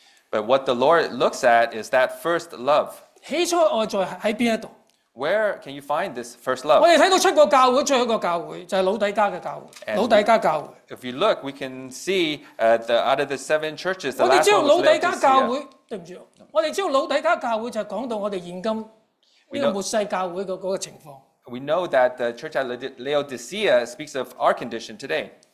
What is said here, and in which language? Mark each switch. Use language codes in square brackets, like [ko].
[en] But what the Lord looks at is that first love. Where can you find this first love? If you look, we can see out of the seven churches, the last one was Laodicea. [zh] 我们知道老底加教会就是讲到我们现今这个末世教会的情况。 [en] We know that the church at Laodicea speaks of our condition today.